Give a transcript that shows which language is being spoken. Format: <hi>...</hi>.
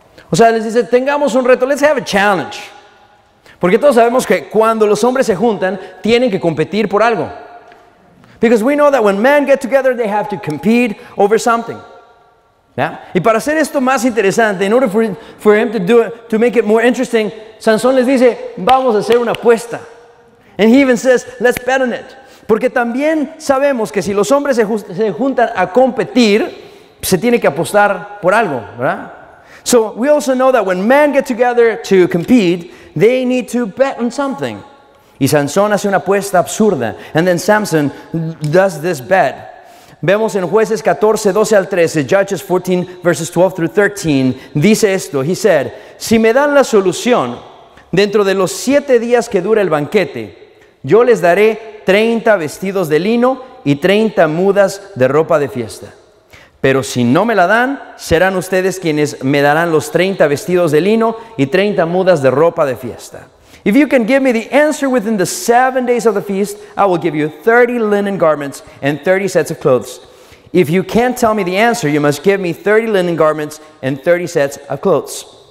<es>O sea, les dice, tengamos un reto.</es> <en>Let's have a challenge.</en> <es>Porque todos sabemos que cuando los hombres se juntan, tienen que competir por algo.</es> <en>Because we know that when men get together, they have to compete over something.</en> <es>¿Ya? Y para hacer esto más interesante,</es> <en>in order for him to do it, to make it more interesting,</en> <es>Sansón les dice, vamos a hacer una apuesta.</es> <en>And he even says, let's bet on it.</en> <es>Porque también sabemos que si los hombres se juntan a competir, se tiene que apostar por algo, ¿verdad?</es> <en>So we also know that when men get together to compete, they need to bet on something.</en> <es>Y Sansón hace una apuesta absurda.</es> <en>And then Samson does this bet.</en> <es>Vemos en Jueces 14:12-13, Judges 14:12-13, dice esto.</es> <en>He said,</en> <es>si me dan la solución dentro de los 7 días que dura el banquete, yo les daré 30 vestidos de lino y 30 mudas de ropa de fiesta. Pero si no me la dan, serán ustedes quienes me darán los 30 vestidos de lino y 30 mudas de ropa de fiesta.</es> <en>If you can give me the answer within the 7 days of the feast, I will give you 30 linen garments and 30 sets of clothes. If you can't tell me the answer, you must give me 30 linen garments and 30 sets of clothes.</en>